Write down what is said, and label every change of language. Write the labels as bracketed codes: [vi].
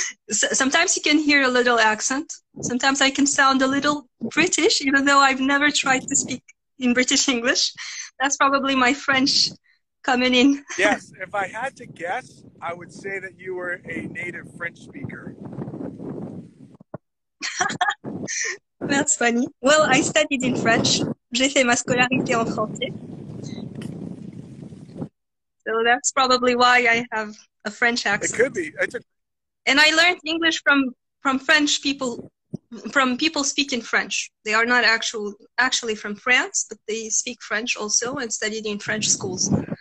[en] Sometimes you can hear a little accent. Sometimes I can sound a little British, even though I've never tried to speak in British English. That's probably my French coming in. Yes, if I had to guess, I would say that you were a native French speaker. That's funny. Well, I studied in French. [fr] J'ai fait ma scolarité en français. [en] So that's probably why I have a French accent. It could be. And I learned English from French people, from people speaking French. They are not actually from France, but they speak French also and studied in French schools.